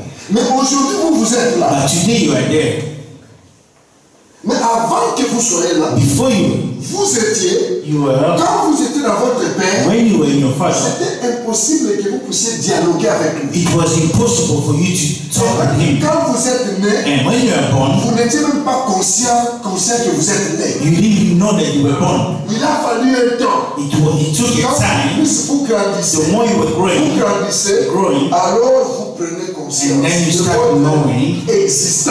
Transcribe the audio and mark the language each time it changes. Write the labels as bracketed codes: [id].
[fr] Mais aujourd'hui, vous êtes là. [en] But today, you are there. [fr] Mais avant que vous soyez là, [en] before you, [fr] vous étiez, [en] you were, [fr] quand vous étiez dans votre père, [en] when you were in your father, [fr] c'était impossible que vous puissiez dialoguer avec lui. [en] It was impossible for you to talk with him. [fr] Quand vous êtes né, [en] and when you are born, [fr] vous n'étiez même pas conscient que vous êtes né. [en] You didn't know that you were born. [fr] Il a fallu un temps. [en] It took [fr] quand [en] a time. [fr] Plus vous grandissez, [en] the more you were growing, [fr] vous grandissez, [en] growing, [fr] alors vous prenez conscience. [en] And then you start knowing existence.